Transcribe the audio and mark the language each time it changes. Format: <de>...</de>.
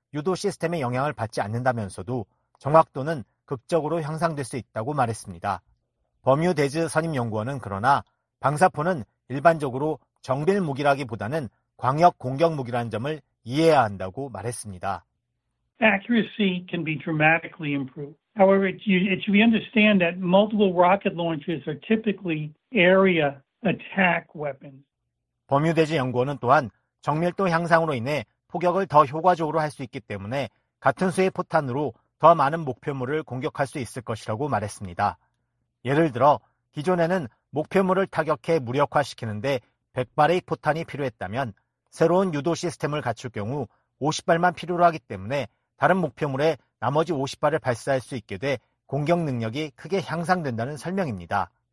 <ko>유도 시스템의 영향을 받지 않는다면서도 정확도는 극적으로 향상될 수 있다고 말했습니다. 버뮤데즈 선임연구원은 그러나 방사포는 일반적으로 정밀 무기라기보다는 광역 공격 무기라는 점을 이해해야 한다고 말했습니다.</ko> <en>Accuracy can be dramatically improved. However, it should be understood that multiple rocket launchers are typically area attack weapons.</en> <ko>버뮤데즈 연구원은 또한 정밀도 향상으로 인해 포격을 더 효과적으로 할 수 있기 때문에 같은 수의 포탄으로 더 많은 목표물을 공격할 수 있을 것이라고 말했습니다. 예를 들어 기존에는 목표물을 타격해 무력화시키는데 100발의 포탄이 필요했다면 새로운 유도 시스템을 갖출 경우 50발만 필요로 하기 때문에 다른 목표물에 나머지 50발을 발사할 수 있게 돼 공격 능력이 크게 향상된다는 설명입니다.</ko>